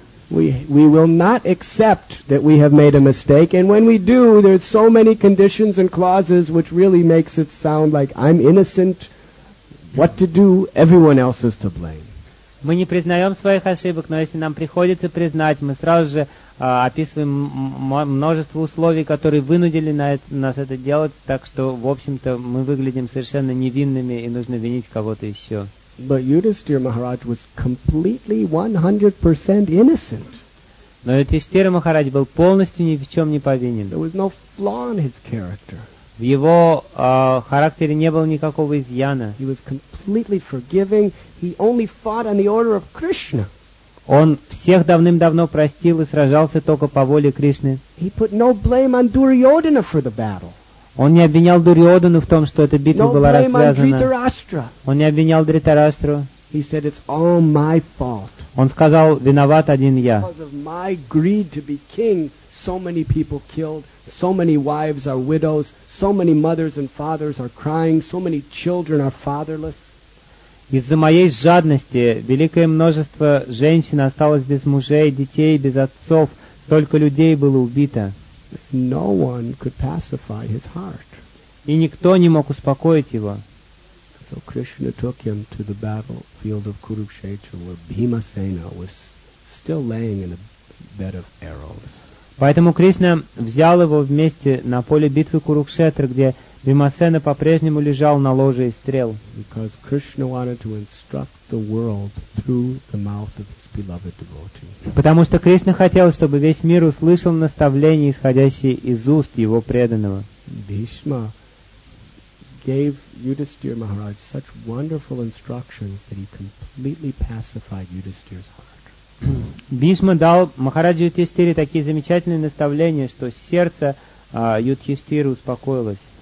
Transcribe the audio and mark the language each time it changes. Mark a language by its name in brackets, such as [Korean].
[English] We will not accept that we have made a mistake, and when we do, there's so many conditions and clauses which really makes it sound like I'm innocent. What to do? Everyone else is to blame. [Russian] Мы не признаем своих ошибок, но если нам приходится признать, мы сразу же описываем множество условий, которые вынудили нас это делать, так что, в общем-то, мы выглядим совершенно невинными, и нужно винить кого-то еще. [English] But Yudhishthira Maharaj was completely 100% innocent. [Russian] Но Юдхиштхира Махарадж был полностью ни в чем не повинен. [English] There was no flaw in his character. [Russian] В его характере не было никакого изъяна. [English] He was completely forgiving. He only fought on the order of Krishna. [Russian] Он всех давным-давно простил и сражался только по воле Кришны. [English] He put no blame on Duryodhana for the battle. [Russian] Он не обвинял Дурьодану в том, что эта битва была развязана. Он не обвинял Дритарастру. [English] He said, it's all my fault. [Russian] Он сказал, виноват один я. [English] Because of my greed to be king, so many people killed, so many wives are widows, so many mothers and fathers are crying, so many children are fatherless. [Russian] Из-за моей жадности великое множество женщин осталось без мужей, детей, без отцов. Столько людей было убито. [English] No one could pacify his heart. [Russian] И никто не мог успокоить его. [English] So Krishna took him to the battlefield of Kurukshetra, where Bhimasena was still laying in a bed of arrows. [Russian] Поэтому Кришна взял его вместе на поле битвы Курукшетры, где Бхимасена по-прежнему лежал на ложе из стрел. [English] Because Krishna wanted to instruct the world through the mouth of his beloved devotee. [Russian] Потому что Кришна хотел, чтобы весь мир услышал наставление, исходящее из уст его преданного. [English] Bhishma gave Yudhishthira Maharaj such wonderful instructions that he completely pacified Yudhishthira's heart. [Russian] Бхишма дал Махараджу Юдхиштхире такие замечательные наставления, что сердце Юдхиштхиры успокоилось.